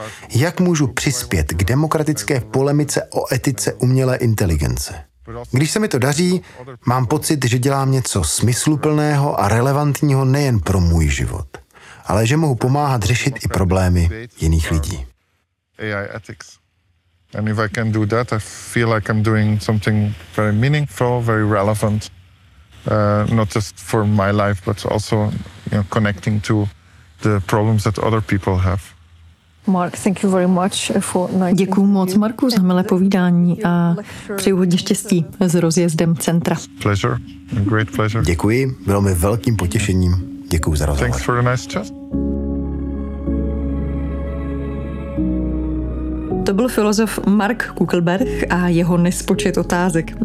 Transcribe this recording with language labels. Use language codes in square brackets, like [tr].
[cs] Jak můžu přispět k demokratické polemice o etice umělé inteligence? Když se mi to daří, mám pocit, že dělám něco smysluplného a relevantního nejen pro můj život, ale že mohu pomáhat řešit i problémy jiných lidí. [en] AI ethics. And if I can do that, I feel like I'm doing something very meaningful, very relevant, not just for my life, but also, you know, connecting to the problems that other people have. Mark, thank you very much for nice. [cs] Děkuju moc, Marku, za milé povídání a přeju hodně štěstí s rozjezdem centra. [en] Pleasure. A great pleasure. [cs] Děkuji, bylo mi velkým potěšením. Děkuju za rozhovor. [en] Thanks for a nice chat. [cs] To byl filozof Mark Kuckelberg a jeho nespočet otázek.